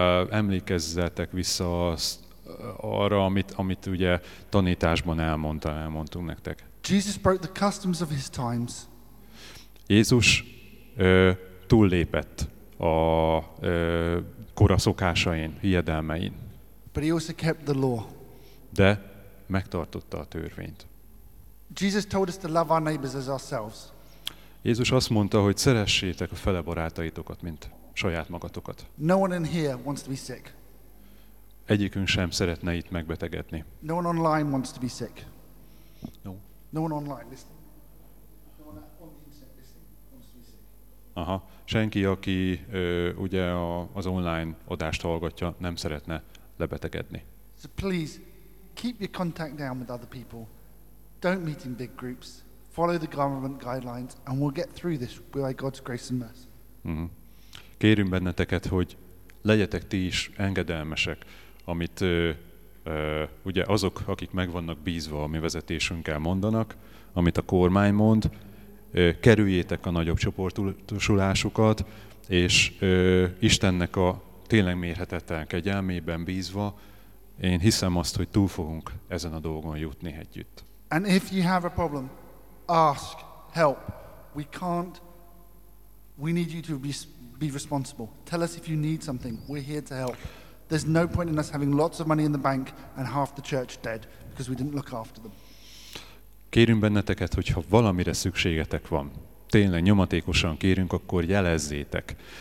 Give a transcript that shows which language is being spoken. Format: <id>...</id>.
<hu>Emlékezzetek vissza arra, amit ugye tanításban elmondtunk nektek.</hu> <en>Jesus broke the customs of his times.</en> <hu>Jézus túllépett a kora szokásain, hiedelmein.</hu> <en>But he also kept the law.</en> <hu>De megtartotta a törvényt.</hu> <en>Jesus told us to love our neighbors as ourselves.</en> <hu>Jézus azt mondta, hogy szeressétek a fele barátaitokat, mint saját magatokat.</hu> <en>No one in here wants to be sick.</en> <hu>Egyikünk sem szeretne itt megbetegedni.</hu> <en>No one online wants to be sick. No. No one online listening. No one on the internet listening wants to be sick. Aha.</en> <hu>Senki, aki ugye az online adást hallgatja, nem szeretne lebetegedni.</hu> <en>So please keep your contact down with other people. Don't meet in big groups. Follow the government guidelines and we'll get through this by God's grace and mercy.</en> <hu>Kérünk benneteket, hogy legyetek ti is engedelmesek, amit ugye azok, akik meg vannak bízva a mi vezetésünkkel mondanak, amit a kormány mond, kerüljétek a nagyobb csoportosulásukat, és Istennek a tényleg mérhetetlen kegyelmében bízva, én hiszem azt, hogy túl fogunk ezen a dolgon jutni együtt.</hu> <en>And if you have a problem, ask help. We can't, we need you to be responsible. Tell us if you need something. We're here to help. There's no point in us having lots of money in the bank and half the church dead because we didn't look after them.</en> <hu>Kérünk benneteket, hogy ha valamire szükségetek van, tényleg nyomatékosan kérünk, akkor jelezzétek.</hu>